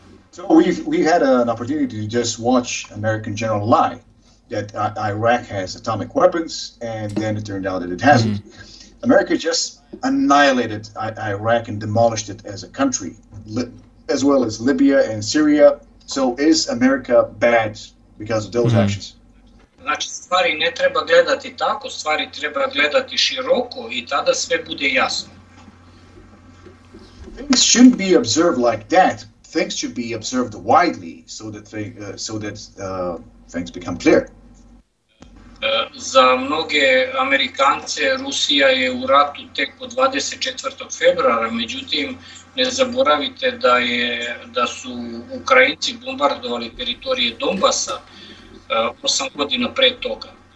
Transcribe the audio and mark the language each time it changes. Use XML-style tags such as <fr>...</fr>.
<en>So we had an opportunity to just watch American general lie that Iraq has atomic weapons, and then it turned out that it hasn't. Mm-hmm. America just annihilated Iraq and demolished it as a country, as well as Libya and Syria. So is America bad because of those mm-hmm. actions?</en> <sr>Znači, stvari ne treba gledati tako, stvari treba gledati široko i tada sve bude jasno.</sr> <en>Things shouldn't be observed like that. Things should be observed widely so that things become clear.</en> <sr>Za mnoge Amerikance, Rusija je u ratu tek od 24. februara, međutim, ne zaboravite da su Ukrajinci bombardovali teritorije Donbasa 8 godina pre toga.</sr>